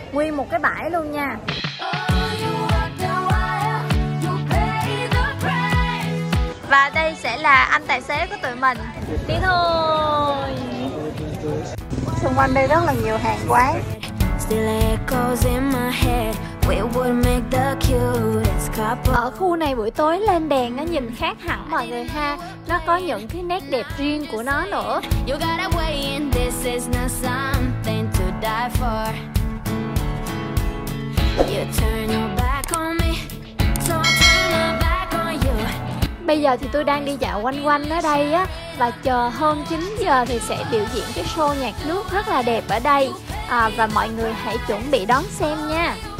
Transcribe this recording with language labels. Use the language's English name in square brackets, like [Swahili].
[Vietnamese] Nguyên một cái bãi luôn nha. Và đây sẽ là anh tài xế của tụi mình. Đi thôi. Xung quanh đây rất là nhiều hàng quán. [English] Still echoes in my head. We would make the cutest couple. [Vietnamese] Ở khu này buổi tối lên đèn nó nhìn khác hẳn mọi người ha. Nó có những cái nét đẹp riêng của nó nữa. [English] You gotta weigh in, this is not something to die for. You turn your back on me, so I turn my back on you. [Vietnamese] Bây giờ thì tôi đang đi dạo quanh quanh ở đây á. Và chờ hơn 9 giờ thì sẽ biểu diễn cái show nhạc nước rất là đẹp ở đây. Và mọi người hãy chuẩn bị đón xem nha.